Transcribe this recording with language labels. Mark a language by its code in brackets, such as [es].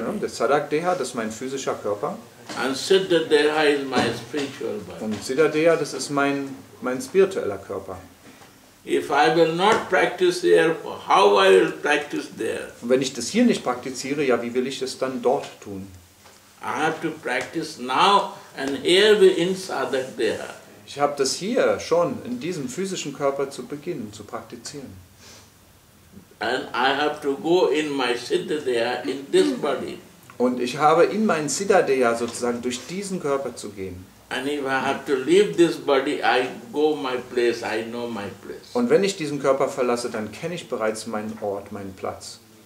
[de] Ja, das Sadhak Deha, das ist mein physischer Körper. [en] And Siddha Deha is my spiritual body. [de] Und Siddha Deha, das ist mein spiritueller Körper. [en] If I will not practice there, how I will practice there? [de] Und wenn ich das hier nicht praktiziere, ja, wie will ich es dann dort tun? [en] I have to practice now and here within Sadhak Deha. [de] Ich habe das hier schon in diesem physischen Körper zu beginnen, zu praktizieren. [en] And I have to go in my Siddha Deha in this body. [de] Und ich habe in mein Siddha Deha sozusagen durch diesen Körper zu gehen. [en] And if I have to leave this body, I go my place, I know my place. [de] Und wenn ich diesen Körper verlasse, dann kenne ich bereits meinen Ort, meinen Platz.